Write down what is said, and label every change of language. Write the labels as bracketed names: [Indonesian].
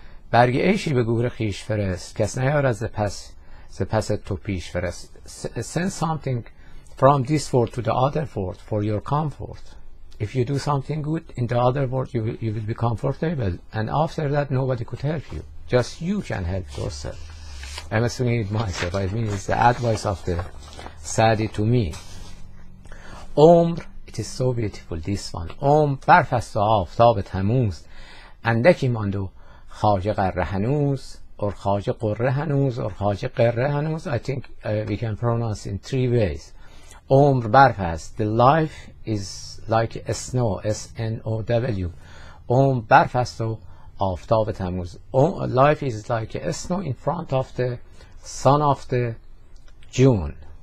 [Persian] برگ عیشی به گور خیش فرست، کس نیارد ز پس تو پیش فرست. [English] Send something from this world to the other world for your comfort. If you do something good in the other world, you will be comfortable, and after that nobody could help you, just you can help yourself. I'm assuming it myself. I mean, it's the advice of the Sadi to me. Umr, it is so beautiful, this one. [Persian] Umr برف است و آفتاب تموز، اندکی ماند و خواجه قره هنوز، or خواجه قره هنوز، or خواجه قره هنوز. [English] I think we can pronounce in three ways. [Persian] Umr برف است. [English] The life is like a snow, snow. [Persian] Umr برف است و آفتاب تموز. [English] Life is like a snow in front of the sun of the June.